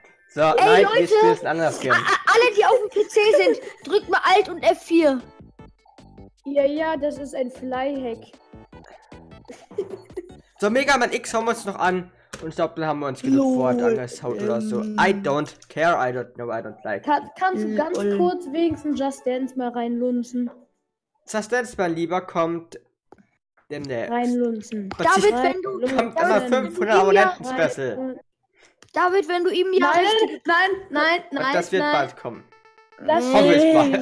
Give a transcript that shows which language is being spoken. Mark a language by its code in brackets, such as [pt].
[de] So, nein, ich spiel's ein anderes Game. Alle, die auf dem PC sind, drückt mal Alt und F4. Ja, das ist ein Fly-Hack. So, Mega Man X, hauen wir uns noch an. Und ich glaube, da haben wir uns genug Wort angeschaut oder so. [en] I don't care, I don't know, I don't like. [de] Kannst du ganz kurz wenigstens Just Dance mal reinlunzen? Just Dance, mein Lieber, kommt demnächst. Reinlunzen. David, wenn du... Kommt immer 500 Abonnenten-Special. David, wenn du ihm... Nein. Das wird bald kommen. Hoffentlich.